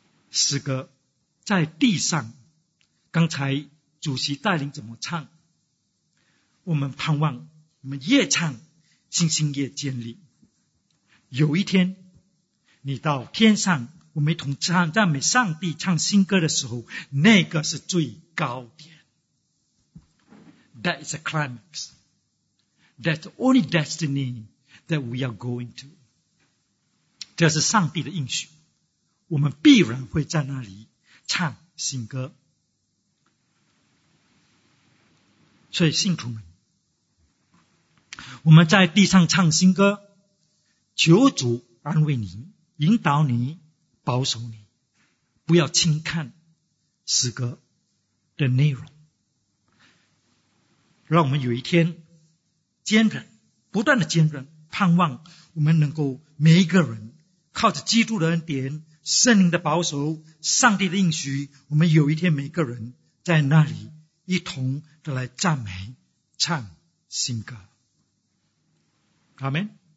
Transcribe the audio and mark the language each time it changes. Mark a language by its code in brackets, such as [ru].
[zh] 诗歌在地上，刚才主席带领怎么唱，我们盼望我们越唱信心越坚立，有一天你到天上，我们同唱赞美上帝唱新歌的时候，那个是最高点。 [en] That is a climax. That's the only destiny that we are going to. [zh] 这是上帝的应许，我们必然会在那里唱新歌。所以信徒们，我们在地上唱新歌，求主安慰你，引导你，保守你，不要轻看诗歌的内容，让我们有一天坚韧，不断的坚韧，盼望我们能够每一个人靠着基督的恩典，圣灵的保守，上帝的应许，我们有一天每个人在那里一同的来赞美唱新歌。阿们。